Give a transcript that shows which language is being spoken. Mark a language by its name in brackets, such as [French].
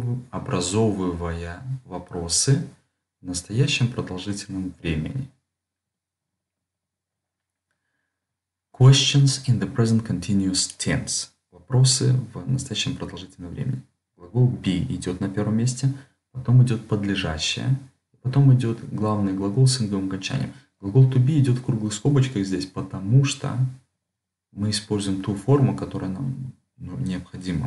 [Russian] Образовывая вопросы в настоящем продолжительном времени. [English] Questions in the present continuous tense. [Russian] Вопросы в настоящем продолжительном времени. Глагол be идет на первом месте, потом идет подлежащее, потом идет главный глагол с инговым окончанием. Глагол to be идет в круглых скобочках здесь, потому что мы используем ту форму, которая нам, ну, необходима.